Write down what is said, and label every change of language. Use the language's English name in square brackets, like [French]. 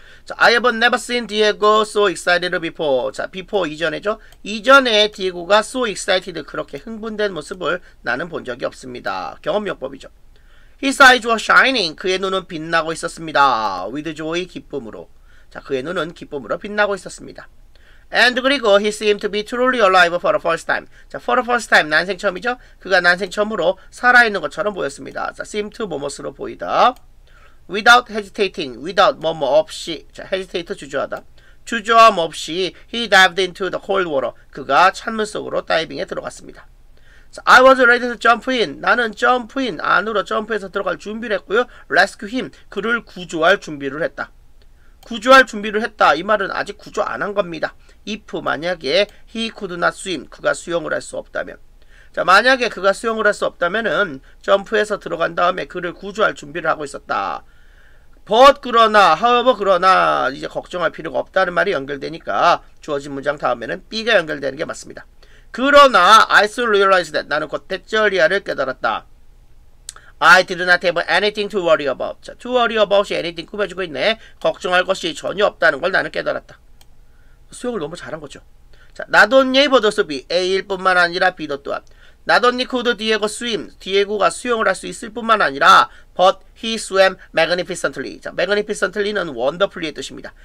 [English] 자, I have never seen Diego so excited before. 자, before 이전에죠. [Korean] 이전에 Diego가 so excited, 그렇게 흥분된 모습을 나는 본 적이 없습니다. 경험요법이죠. [English] His eyes were shining. [Korean] 그의 눈은 빛나고 있었습니다. [English] With joy, 기쁨으로. [Korean] 자, 그의 눈은 기쁨으로 빛나고 있었습니다. [English] And 그리고 he seemed to be truly alive for the first time. [Korean] 자, for the first time, 난생 처음이죠? 그가 난생 처음으로 살아있는 것처럼 보였습니다. 자, seem to 뭐뭐스로 보이다. [English] Without hesitating, [Korean] without 뭐뭐 없이. 자, hesitate 주저하다. 주저함 없이 [English] he dived into the cold water. [Korean] 그가 찬물 속으로 다이빙에 들어갔습니다. [English] 자, I was ready to jump in. 나는 jump in, [Korean] 안으로 점프해서 들어갈 준비를 했고요. [English] Rescue him, [Korean] 그를 구조할 준비를 했다. 구조할 준비를 했다. 이 말은 아직 구조 안 한 겁니다. If 만약에 [English] he could not swim, [Korean] 그가 수영을 할 수 없다면. 자, 만약에 그가 수영을 할 수 없다면은 점프해서 들어간 다음에 그를 구조할 준비를 하고 있었다. But 그러나, however 그러나 이제 걱정할 필요가 없다는 말이 연결되니까 주어진 문장 다음에는 B가 연결되는 게 맞습니다. 그러나 [English] I soon realized that [Korean] 나는 곧 대절이야를 깨달았다. [English] I did not have anything to worry about. [Korean] 자, to worry about이 anything 꾸며주고 있네. 걱정할 것이 전혀 없다는 걸 나는 깨달았다. 수영을 너무 잘한 거죠. 자, not only able to swim, A일 뿐만 아니라 B도 또한. [English] Not only could Diego swim, [Korean] Diego가 수영을 할 수 있을 뿐만 아니라, [English] but he swam magnificently. [Korean] 자, magnificently는 wonderfully의 뜻입니다.